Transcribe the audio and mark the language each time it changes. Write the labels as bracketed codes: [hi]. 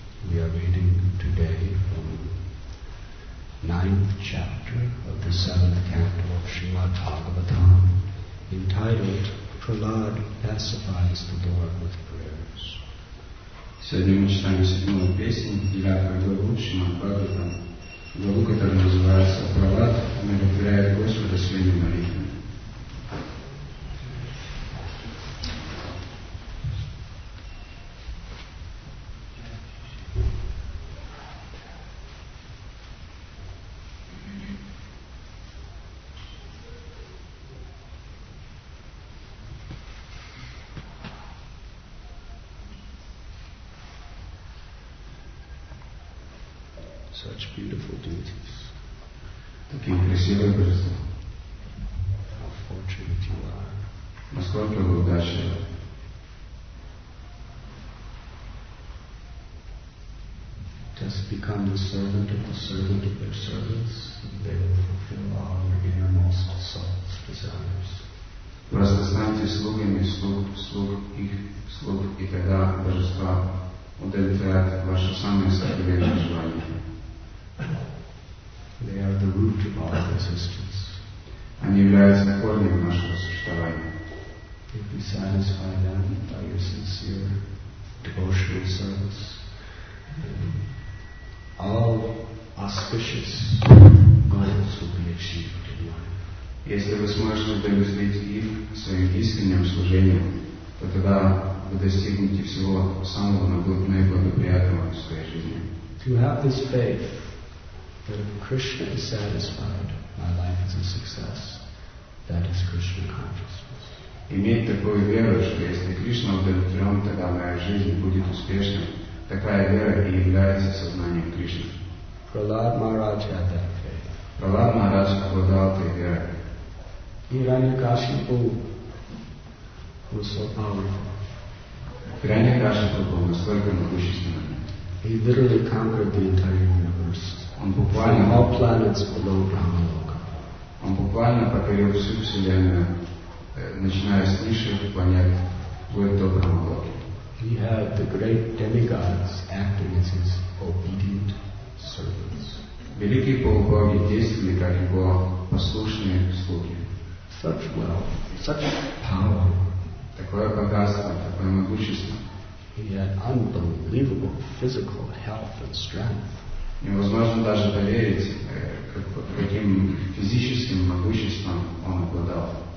[en] We are reading today from ninth chapter of the seventh canto of Srimad Bhagavatam entitled Prahlad Pacifies the Lord with Prayers. [ru] Сегодня мы читаем седьмую песню, девятую главу Шримад Бхагаватам, главу, которая называется «Прахлад умиротворяет Господа своими молитвами». [en] Such beautiful duties. [ru] Такие красивые образы. [en] How fortunate you are. [ru] Насколько вы удачливы. [en] Just become the servant of the servant of their servants, and they will fulfill all your innermost soul's desires. [ru] Просто станьте слугами слуг их слуг, и тогда божества удовлетворят ваши самые сокровенные желания. [en] They are the root of all existence. [ru] Они являются корнем нашего существования. [en] If we satisfy them by your sincere devotional service, all auspicious goals will be achieved in life. [ru] Если вы сможете удовлетворить их своим искренним служением, то тогда вы достигнете всего самого наиболее благоприятного в своей жизни. [en] To have this faith that if Krishna is satisfied, my life is a success. That is Krishna consciousness. [ru] Иметь такую веру, что если Кришна удовлетворен, тогда моя жизнь будет успешной. Такая вера и является сознанием Кришны. [en] Prahlad Maharaj had that faith. [ru] Prahlad Maharaj обладал этой верой. [en] Hiranyakashipu was so powerful. [ru] Hiranyakashipu был настолько могущественным. [en] He literally conquered the entire universe. [ru] Он буквально [en] all planets below Brahmaloka. [ru] Он буквально покорил всю вселенную, начиная с низших планет вплоть до Брахмалоки. [en] He had the great demigods acting as his obedient servants. [ru] Великие полубоги действовали как его послушные слуги. [en] Such wealth, such power. [ru] Такое богатство, такое могущество. [en] He had unbelievable physical health and strength. [ru] Невозможно даже поверить, каким физическим могуществом он обладал.